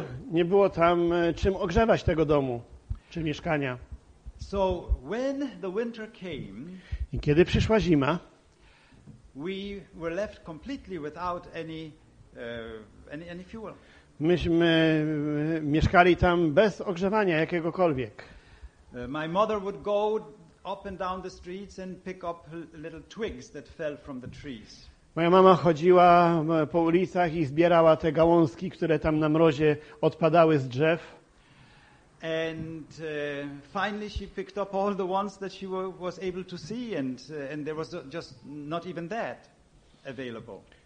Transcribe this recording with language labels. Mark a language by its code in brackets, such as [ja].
[pl] Nie było tam czym ogrzewać tego domu czy mieszkania. [en] So when the winter came, [pl] i kiedy przyszła zima, [en] we were left completely without any fuel. [pl] Myśmy mieszkali tam bez ogrzewania jakiegokolwiek. [en] My mother would go up and down the streets and pick up little twigs that fell from the trees. [pl] Moja mama chodziła po ulicach i zbierała te gałązki, które tam na mrozie odpadały z drzew. [en] And finally she picked up all the ones that she was able to see, and there was just not even that available.